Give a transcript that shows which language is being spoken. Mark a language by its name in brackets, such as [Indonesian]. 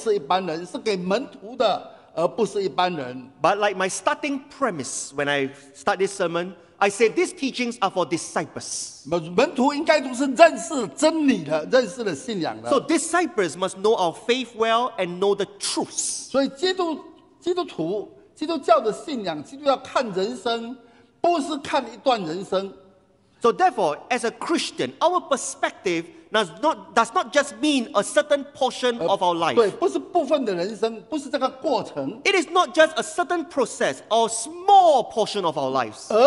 [Chinese] 但是首先我刚才说,这个八福给我们的教导是给信徒的,而不是一般人,是给门徒的,而不是一般人。 [English] But like my starting premise when I start this sermon, I say these teachings are for disciples. [Chinese] 门徒应该都是认识真理的,认识了信仰的。 [English] So disciples must know our faith well and know the truth. [Chinese] 所以基督徒,基督教的信仰,基督要看人生,不是看一段人生。 [English] So therefore, as a Christian, our perspective does not just mean a certain portion of our life. [Chinese] 对,不是部分的人生,不是这个过程。 [English] It is not just a certain process or small portion of our lives.